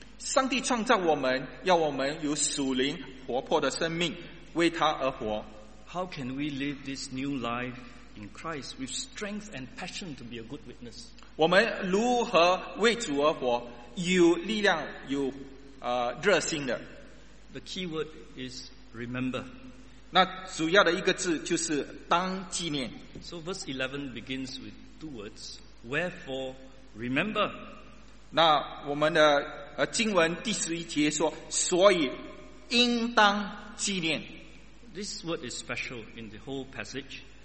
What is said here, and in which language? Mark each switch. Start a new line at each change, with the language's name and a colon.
Chinese: 上帝创造我们，要我们有属灵活泼的生命，为他而活。
English: How can we live this new life in Christ with strength and passion to be a good witness?
Chinese: 我们如何为主而活，有力量，有热心的。
English: The key word is remember.
Chinese: 那主要的一个字就是当纪念。
English: So verse 11 begins with two words. Wherefore, remember.
Chinese: 那我们的 经文第十一节说，所以应当纪念。
English: This word is special in the whole passage.